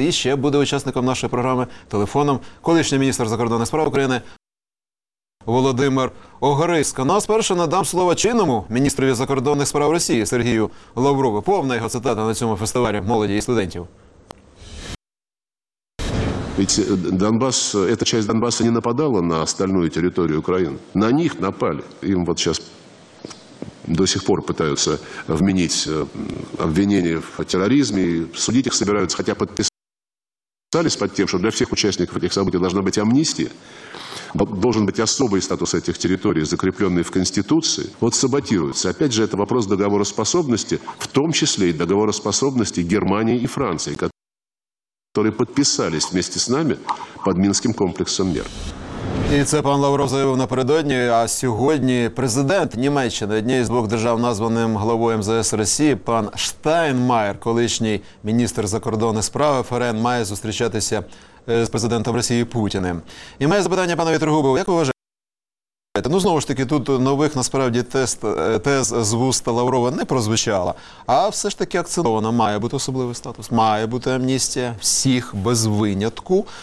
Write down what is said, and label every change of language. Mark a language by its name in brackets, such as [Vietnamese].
[Ukrainian] І ще буде учасником нашої програми телефоном колишній міністр закордонних справ України Володимир Огориська. Ну, а спершу надам слово чинному міністрові закордонних справ Росії Сергію Лаврову. Повна його цитата на цьому фестивалі молоді і студентів. [Russian] Ведь Донбасс, эта часть Донбасса не нападала на остальную территорию Украины. На них напали. Им вот сейчас до сих пор пытаются вменить обвинения в терроризме. Судить их собираются, хотя подписались под тем, что для всех участников этих событий должна быть амнистия. Должен быть особый статус этих территорий, закрепленный в Конституции, вот саботируется. Опять же, это вопрос договороспособности, в том числе и договороспособности Германии и Франции, которые подписались вместе с нами под Минским комплексом мер. [Ukrainian] І це пан Лавров заявив напередодні, а сьогодні президент Німеччини, однієї з двох держав, названим главою МЗС Росії, пан Штайнмайер, колишній міністр закордонних справ ФРН, має зустрічатися з президентом Росії Путіним. І має запитання панові Трегубову, як ви вважаєте? Ну, знову ж таки, тут нових, насправді, тез з вуста Лаврова не прозвучало, а все ж таки акцентовано, має бути особливий статус, має бути амністія всіх без винятку.